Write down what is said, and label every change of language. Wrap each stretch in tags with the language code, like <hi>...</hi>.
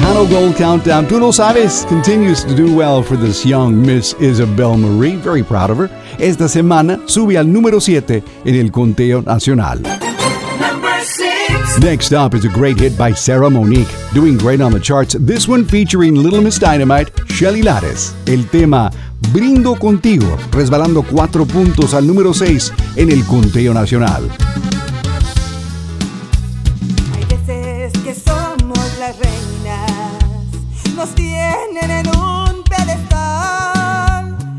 <en>Gold Countdown, Tú No Sabes, continues to do well for this young Miss Isabel Marie. Very proud of her.</en> <es>Esta semana sube al número 7 en el conteo nacional.</es> <en>Number 6. Next up is a great hit by Sarah Monique, doing great on the charts. This one featuring Little Miss Dynamite, Shelly Lares.</en> <es>El tema Brindo Contigo, resbalando 4 puntos al número 6 en el conteo nacional. Hay veces que somos las reinas, nos tienen en un pedestal.</es>